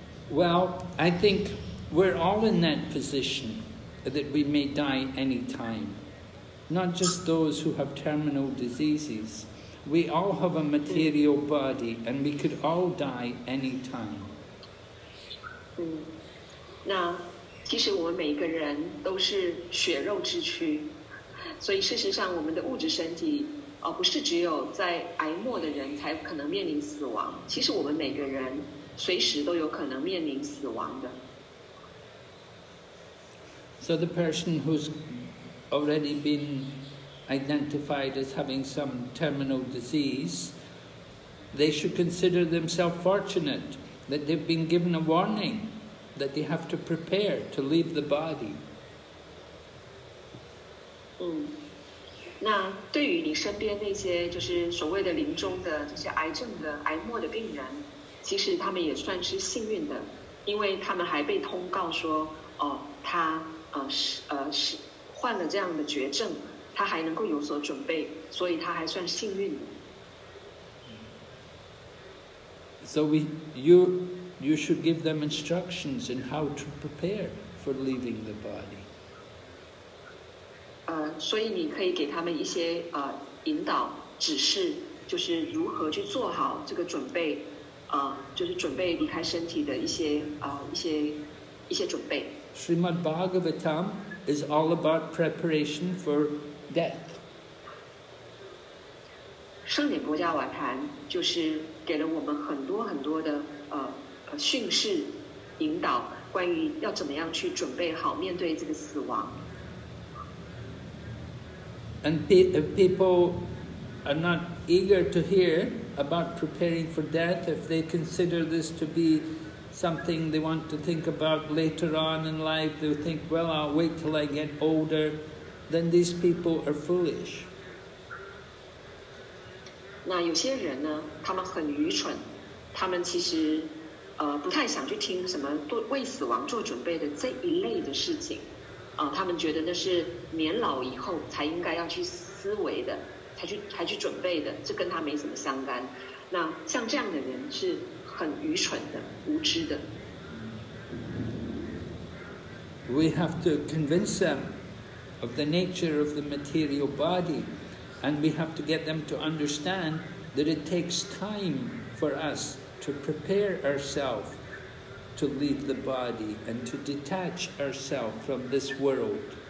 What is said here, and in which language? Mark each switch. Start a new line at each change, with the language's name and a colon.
English: Well, I think we're all in that position that we may die anytime. Not just those who have terminal diseases. We all have a material body and we could all die anytime.
Chinese: 那其实我们每一个人都是血肉之躯，所以事实上我们的物质身体不是只有在癌末的人才可能面临死亡，其实我们每个人随时都有可能面临死亡的。
English: So the person who's already been identified as having some terminal disease, they should consider themselves fortunateThat they've been given a warning that they have to prepare to leave the body.
Chinese: 那对于你身边那些就是所谓的临终的这些癌症的癌末的病人，其实他们也算是幸运的，因为他们还被通告说，他是患了这样的绝症，他还能够有所准备，所以他还算幸运的。
English: So you should give them instructions in how to prepare for leaving the body.
Chinese: 所以你可以给他们一些引导指示，就是如何去做好这个准备，就是准备离开身体的一些准备。
English: Srimad Bhagavatam is all about preparation for death.
Chinese: 圣典国家瓦坛就是给了我们很多很多的训示引导，关于要怎么样去准备好面对这个死亡。
English: And if people are not eager to hear about preparing for death, if they consider this to be something they want to think about later on in life, they think, well, I'll wait till I get older, then these people are foolish.
Chinese: 那有些人呢，他们很愚蠢，他们其实不太想去听什么做为死亡做准备的这一类的事情，他们觉得那是年老以后才应该要去思维的，才去准备的，这跟他没什么相干。那像这样的人是很愚蠢的，无知的。
English: We have to convince them of the nature of the material body. And we have to get them to understand that it takes time for us to prepare ourselves to leave the body and to detach ourselves from this world.